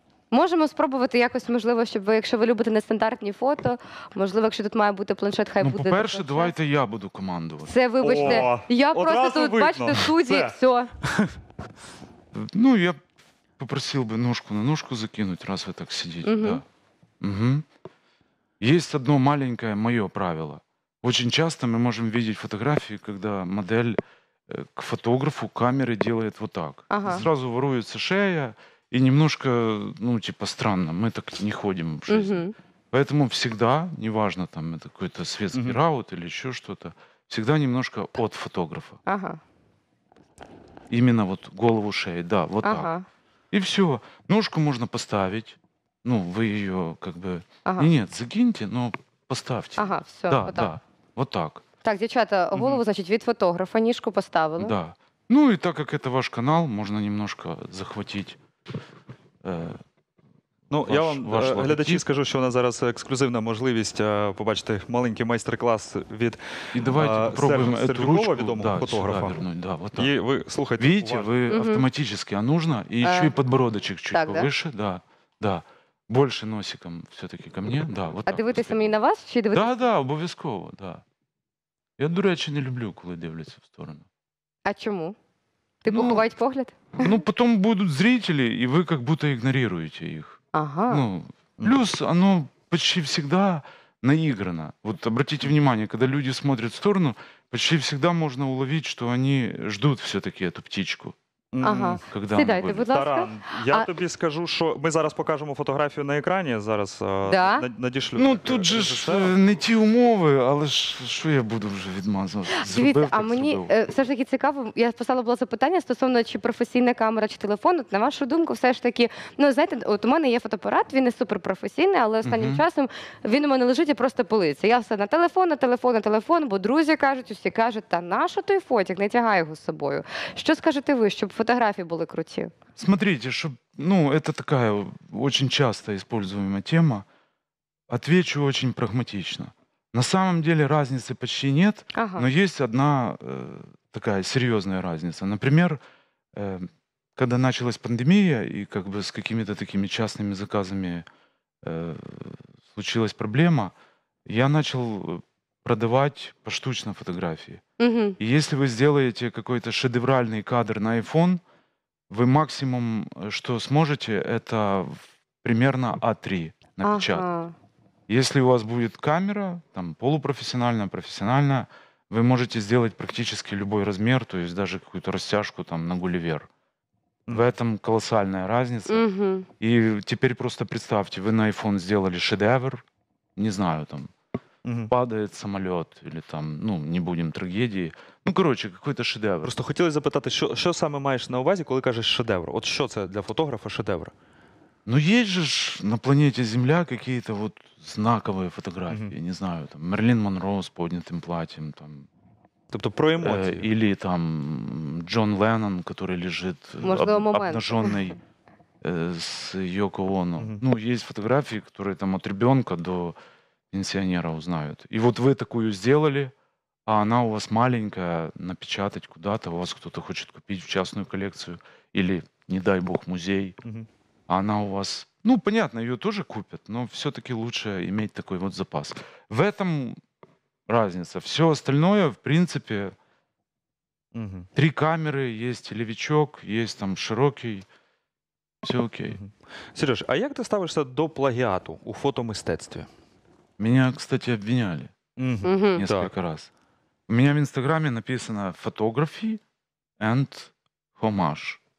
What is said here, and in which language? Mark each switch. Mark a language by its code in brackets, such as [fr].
[uk] Можемо спробувати якось, можливо, щоб ви, якщо ви любите нестандартні фото, можливо, якщо тут має бути планшет, хай буде... Ну, по-перше, давайте я буду командувати. Це, вибачте, я просто тут, видно. Бачите, судді, все. Ну, я попросив би ножку на ножку закинути, раз ви так сидіть, так? Угу. [ru] Есть одно маленькое мое правило. Очень часто мы можем видеть фотографии, когда модель к фотографу камеры делает вот так. Ага. Сразу воруется шея и немножко, ну, типа, странно. Мы так не ходим в жизнь. Угу. Поэтому всегда, неважно, там, это какой-то светский раут или еще что-то, всегда немножко от фотографа. Ага. Именно вот голову шеи, да, вот ага. Так. И все. Ножку можно поставить. Ну, [uk] ви її [ru] как бы... Ага. Нет, закиньте, но поставьте. Ага, все, да, вот так. Да, вот так. [uk] Так, дівчата, голову, значить, від фотографа, ніжку поставили. [ru] Да. [uk] Ну, і так як це ваш канал, можна немножко захватити... Ну, ваш, я вам, глядачі, скажу, що у нас зараз ексклюзивна можливість побачити маленький майстер-клас від Сергова, відомого [ru] да, [uk] фотографа. [ru] Вернуть, да, вот так. [uk] І ви слухайте. [ru] Видите, [uk] ви автоматично, [ru] а нужно, і ще й подбородочок чуть так, повыше, да, да. Больше носиком все-таки ко мне. Да, вот [uk] а дивитися мені на вас? Чи дивитися? Да, да, обов'язково, да. Я, до речі, не люблю, коли дивляться в сторону. А чому? Ти поховають погляд? Ну, потім будуть зрителі, і ви як будто ігноруєте їх. Ага. Ну, плюс, воно почти завжди наіграно. От, [ru] обратите внимание, [uk] коли люди смотрять в сторону, почти завжди можна уловити, що вони ждуть все-таки цю птичку. Ага. Сідайте, будь ласка. Таран, я тобі скажу, що ми зараз покажемо фотографію на екрані, зараз надішлю. Ну, тут же ж не ті умови, але ж що я буду вже відмазувати? Зробив, так, а мені все ж таки цікаво, я поставила було запитання стосовно, чи професійна камера, чи телефон. От, на вашу думку, все ж таки, ну, знаєте, от у мене є фотоапарат, він не суперпрофесійний, але останнім часом він у мене лежить і просто пилиться. Я все на телефон, бо друзі кажуть, усі кажуть, та на що той фотик, не тягай його з собою. Що скажете ви, щоб [ru] фотографии были крути. Смотрите, чтоб, ну, это такая очень часто используемая тема. Отвечу очень прагматично. На самом деле разницы почти нет, ага. Но есть одна такая серьезная разница. Например, когда началась пандемия и как бы с какими-то такими частными заказами случилась проблема, я начал продавать поштучно фотографии. И если вы сделаете какой-то шедевральный кадр на iPhone, вы максимум, что сможете, это примерно А3 напечатать. Ага. Если у вас будет камера, там полупрофессиональная, профессиональная, вы можете сделать практически любой размер, то есть даже какую-то растяжку там на Гулливер. В этом колоссальная разница. И теперь просто представьте, вы на iPhone сделали шедевр, не знаю, там, падает самолет, или там, ну, не будем трагедии. Ну, короче, какой-то шедевр. [uk] Просто хотілося запитати, що саме маєш на увазі, коли кажеш шедевр? От що це для фотографа шедевр? Ну, є ж на планеті Земля якісь вот знакові фотографії, не знаю, там, Мерлін Монро з піднятим платьем, там. Тобто про емоції. Или там Джон Леннон, який лежить обнажений з Йоко Оно. Ну, є фотографії, які там від ребенка до пенсіонера узнають. І от ви таку зробили, а вона у вас маленька, напечатати куди-то, у вас хтось хоче купити в частну колекцію, або, не дай Бог, музей. А вона у вас, ну, понятно, її теж куплять, але все-таки краще мати такий от запас. В цьому разница. [ru] Все остальное, в принципе, три камеры, есть телевичок, есть там широкий, все окей. Сереж, а как ты ставишься [uk] до плагиату у фотомистецтве? [ru] Меня, кстати, обвиняли несколько раз. У меня в Инстаграме написано photography and homage.